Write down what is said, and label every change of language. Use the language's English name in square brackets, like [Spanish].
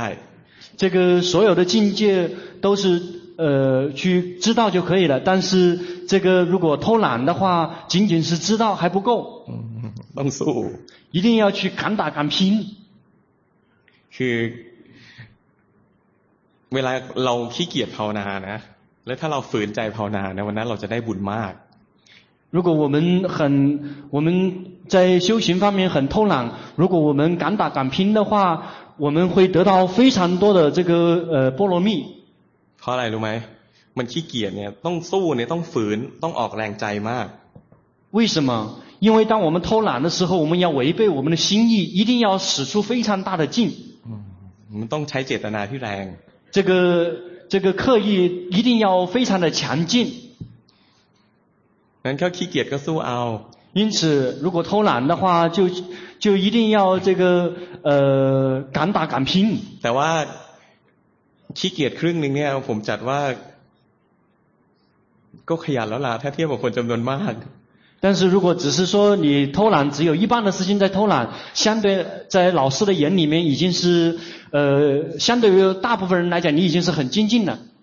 [Chinese] 这个所有的境界都是去知道就可以了但是这个如果偷懒的话仅仅是知道还不够 [Thai] ต้องสู้ [Chinese] 一定要去敢打敢拼 [Thai] คือเวลาเราขี้เกียจภาวนานะแล้วถ้าเราฝืนใจภาวนานะวันนั้นเราจะได้บุญมาก [Chinese] 如果我们在修行方面很偷懒如果我们敢打敢拼的话我们会得到非常多的这个波罗蜜 [Thai] เพราะอะไรรู้ไหมมันขี้เกียจเนี่ยต้องสู้เนี่ยต้องฝืนต้องออกแรงใจมาก [Chinese] 为什么因为当我们偷懒的时候我们要违背我们的心意一定要使出非常大的劲我们 [Thai] ต้องใช้เจตนาที่แรง [Chinese] 这个刻意一定要非常的强劲 [Thai] งั้นก็ขี้เกียจก็สู้เอา [Chinese] 因此如果偷懒的话就一定要这个敢打敢拼 [Thai] แต่ว่าขี้เกียจครึ่งนึงเนี่ยผมจัดว่าก็ขยันแล้วล่ะถ้าเทียบกับคนจำนวนมาก [Chinese] 但是如果只是说你偷懒只有一半的时间在偷懒相对在老师的眼里面已经是相对于大部分人来讲你已经是很精进了